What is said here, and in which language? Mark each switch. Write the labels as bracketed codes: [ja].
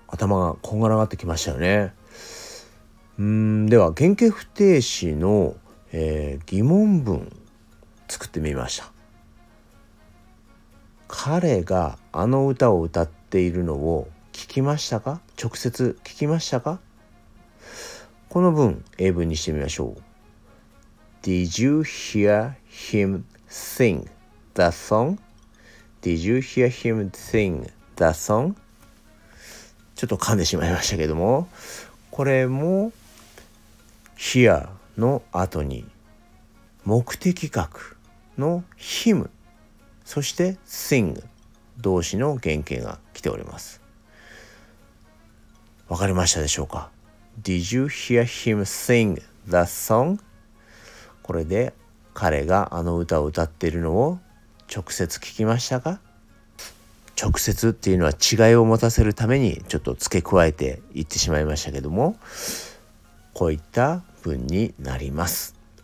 [ja] 頭がこんがらがってきましたよね。では原形不定詞の、疑問文作ってみました。彼があの歌を歌っているのを聞きましたか？直接聞きましたか？この文英文にしてみましょう。 [en] Did you hear him sing the song? Did you hear him sing the song? [ja] ちょっと噛んでしまいましたけども、これも hear の後に目的格の him、 そして sing 動詞の原形が来ております。わかりましたでしょうか？ [en] Did you hear him sing the song? [ja] これで彼があの歌を歌っているのを直接聞きましたか？直接っていうのは違いを持たせるためにちょっと付け加えて言ってしまいましたけども、こういった文になります。